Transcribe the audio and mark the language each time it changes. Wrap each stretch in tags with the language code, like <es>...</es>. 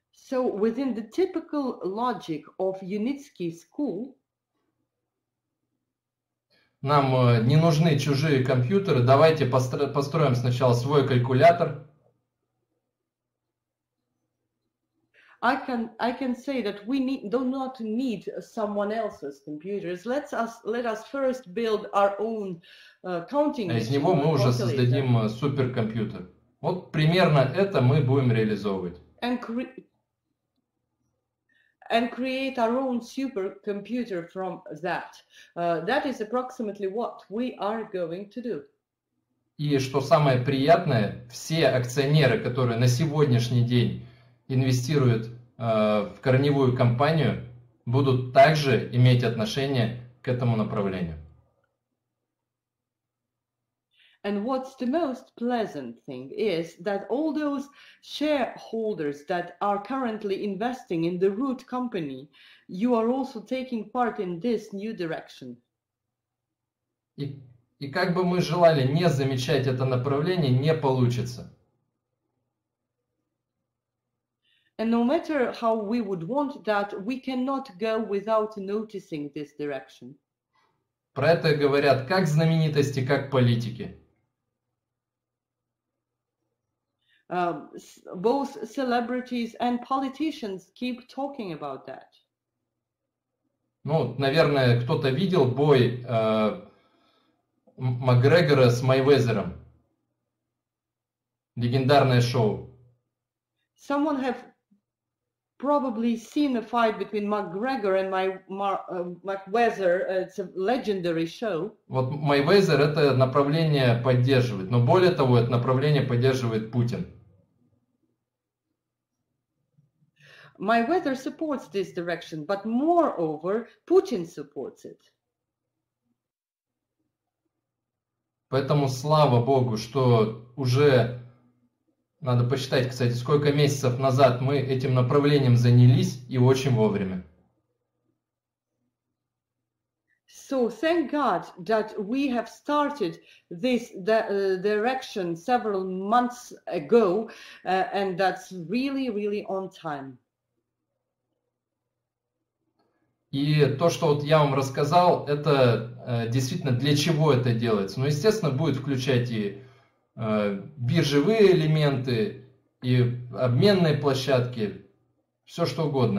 <en>So within the typical logic of Yunitsky school,</en> <ru>нам не нужны чужие компьютеры, давайте построим сначала свой калькулятор.</ru> <en>I can say that we do not need someone else's computers. Let us first build our own counting machine.</en> <ru>А из него мы уже создадим суперкомпьютер. Вот примерно это мы будем реализовывать.</ru> <en>And create our own supercomputer from that. That is approximately what we are going to do.</en> <ru>И что самое приятное, все акционеры, которые на сегодняшний день инвестируют в корневую компанию, будут также иметь отношение к этому направлению.</ru> <en>And what's the most pleasant thing is that all those shareholders that are currently investing in the root company, you are also taking part in this new direction.</en> <ru>И как бы мы желали не замечать это направление, не получится.</ru> <en>And no matter how we would want that, we cannot go without noticing this direction.</en> <ru>Про это говорят как знаменитости, как политики.</ru> <en>Both celebrities and politicians keep talking about that.</en> <ru>Ну, наверное, кто-то видел бой Макгрегора с Мейвезером. Легендарное шоу.</ru> <en>Someone have probably seen a fight between McGregor and Mayweather. It's a legendary show.</en> <ru>Вот Мейвезер это направление поддерживает, но более того, это направление поддерживает Путин.</ru> <en>My weather supports this direction, but moreover, Putin supports it.</en> <ru>Поэтому слава Богу, что уже надо посчитать, кстати, сколько месяцев назад мы этим направлением занялись и очень вовремя.</ru> <en>So So thank God that we have started this direction several months ago, and that's really, really on time.</en> <ru>И то, что вот я вам рассказал, это действительно для чего это делается. Ну, естественно, будет включать и биржевые элементы, и обменные площадки, все что угодно.</ru>